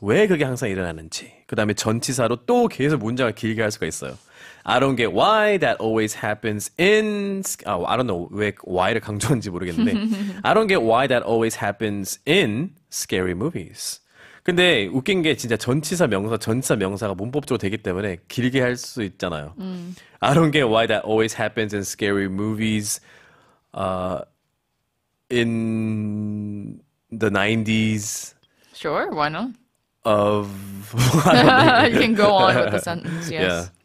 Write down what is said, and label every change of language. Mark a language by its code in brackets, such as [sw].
[ko] 왜 그게 항상 일어나는지. 그 다음에 전치사로 또 계속 문장을 길게 할 수가 있어요. [en] I don't get why that always happens in... I don't know [ko] 왜 why를 강조하는지 모르겠는데 [en] I don't get why that always happens in scary movies. [ko] 근데 웃긴 게 진짜 전치사 명사, 전치사 명사가 문법적으로 되기 때문에 길게 할 수 있잖아요. [en] I don't get why that always happens in scary movies in the 90s. Sure, why not? Of... You can go on with the sentence, yes.